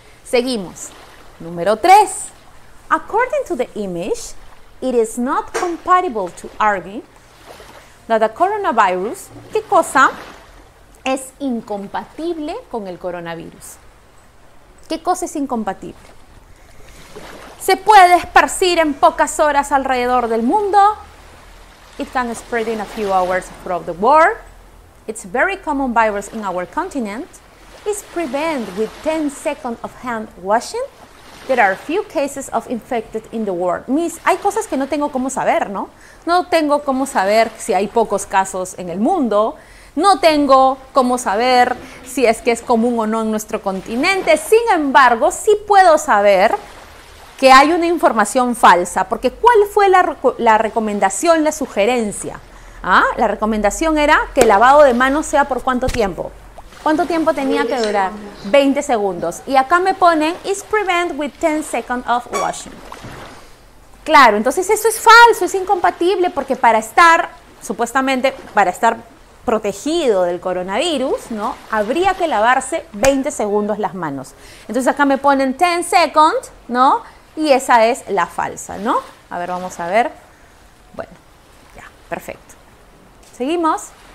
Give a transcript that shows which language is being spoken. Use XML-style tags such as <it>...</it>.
<es>Seguimos. Número 3.</es> <en>According to the image, it is not compatible to argue that the coronavirus,</en> <es>¿qué cosa es incompatible con el coronavirus? ¿Qué cosa es incompatible? Se puede esparcir en pocas horas alrededor del mundo.</es> <en>It can spread in a few hours throughout the world. It's a very common virus in our continent. It's prevented with 10 seconds of hand washing. There are few cases of infected in the world.</en> <es>Miss, hay cosas que no tengo cómo saber, ¿no? No tengo cómo saber si hay pocos casos en el mundo. No tengo cómo saber si es que es común o no en nuestro continente. Sin embargo, sí puedo saber que hay una información falsa. Porque ¿cuál fue la recomendación, la sugerencia? ¿Ah? La recomendación era que el lavado de manos sea por ¿cuánto tiempo? ¿Cuánto tiempo tenía que durar? 20 segundos. Y acá me ponen,</es> <en>is prevent with 10 seconds of washing.</en> <es>Claro, entonces eso es falso, es incompatible, porque para estar, supuestamente, para estar protegido del coronavirus, ¿no? Habría que lavarse 20 segundos las manos. Entonces acá me ponen 10 seconds, ¿no? Y esa es la falsa, ¿no? A ver, vamos a ver. Bueno, ya, perfecto. Seguimos.</es>